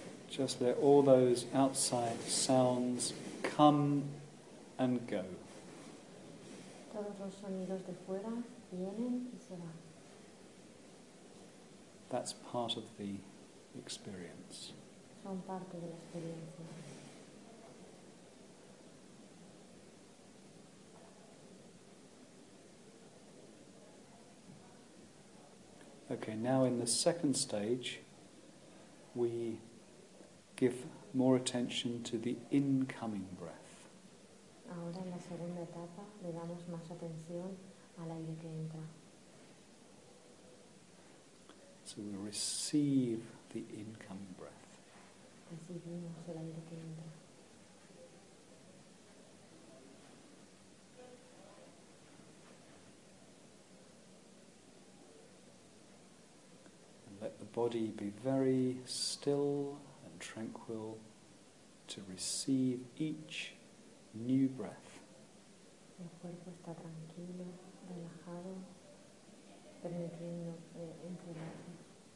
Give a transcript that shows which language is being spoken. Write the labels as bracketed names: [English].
[English] Just let all those outside sounds come and go. [Spanish] Todos los sonidos de fuera vienen y se van. [English] That's part of the experience. [Spanish] Son parte de la experiencia. [English] Okay, now in the second stage, we give more attention to the incoming breath. [Spanish] Ahora en la segunda etapa le damos más atención al aire que entra. [English] So we receive the incoming breath. [Spanish] Recibimos el aire que entra. [English] And let the body be very still, tranquil, to receive each new breath. [Spanish] El cuerpo está tranquilo, relajado, permitiendo entregarse.